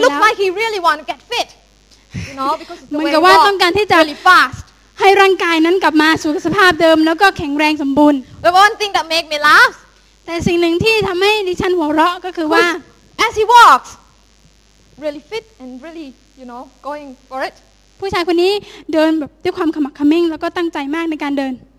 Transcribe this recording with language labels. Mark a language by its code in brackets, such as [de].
[en] It looks like he really want to get fit you know because [th] เหมือนกับว่าต้องการที่จะ [en] really fast [th] ให้ร่างกายนั้นกลับมาสู่สภาพเดิมแล้วก็แข็งแรงสมบูรณ์ [en] But one thing that make me laugh [th] แต่สิ่งหนึ่งที่ทำให้ดิฉันหัวเราะก็คือว่า [en] As he walks really fit and really you know going for it [th] ผู้ชายคนนี้เดินแบบด้วยความขมักเขม้งแล้วก็ตั้งใจมากในการเดิน